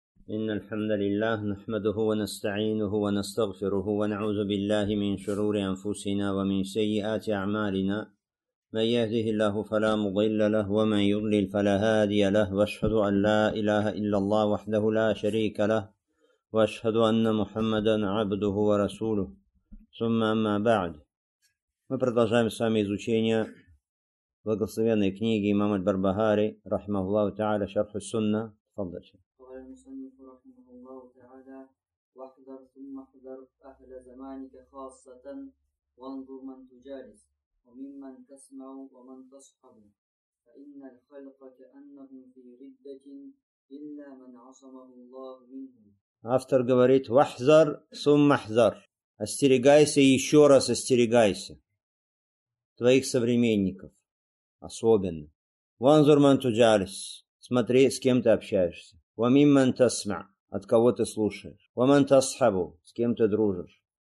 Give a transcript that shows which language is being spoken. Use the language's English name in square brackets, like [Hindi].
[Arabic] إن الحمد لله نحمده ونستعينه ونستغفره ونعوذ بالله من شرور أنفسنا ومن سيئات أعمالنا، من يهده الله فلا مضل له ومن يضلل فلا هادي له، وأشهد أن لا إله إلا الله وحده لا شريك له، وأشهد أن محمدا عبده ورسوله. ثم أما بعد، [Russian] мы продолжаем с вами изучение благословенной книги имама Аль-Барбахари [Arabic] رحمه الله تعالى [Russian] شرح السنة. [Arabic] تفضل. المصنف رحمه الله تعالى: واحذر ثم احذر أهل زمانك خاصة، وانظر من تجالس وممن تسمع ومن تصحب، فإن الخلق كأنهم في ردة إلا من عصمه الله منهم. [Russian] автор говорит: [Arabic] واحذر ثم احذر، [Russian] остерегайся и еще раз остерегайся твоих современников особенно. [Arabic] وانظر من تجالس، [Russian] смотри с кем ты общаешься. [Arabic] وَمِمَّنْ تَسْمَعْ، [Russian] от кого ты слушаешь. [Arabic] وَمَنْ تَصْحَبُ، [Russian] с кем ты дружишь.